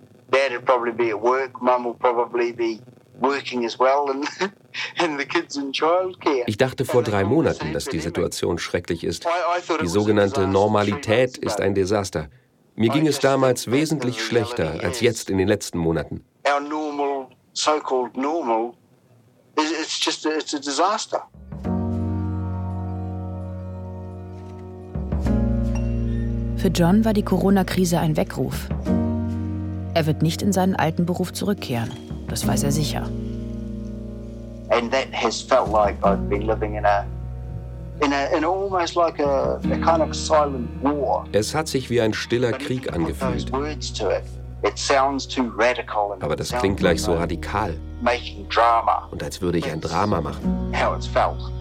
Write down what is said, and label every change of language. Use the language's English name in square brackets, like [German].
[English] Dad would probably be at work, Mum will probably be working as well, and the kids in childcare. [German] Ich dachte vor 3 Monaten, dass die Situation schrecklich ist. Die sogenannte Normalität ist ein Desaster. Mir ging es damals wesentlich schlechter als jetzt in den letzten Monaten. [English] Our normal, so-called normal, it's a disaster. [German] Für John war die Corona-Krise ein Weckruf. Er wird nicht in seinen alten Beruf zurückkehren. Das weiß er sicher. [English] And that has felt like I've been living in almost like a kind of silent war. [German] Es hat sich wie ein stiller Krieg angefühlt. [English] It sounds too radical. [German] Aber das klingt gleich so radikal. [English] Making drama. [German] Und als würde ich ein Drama machen. [English] How it's felt.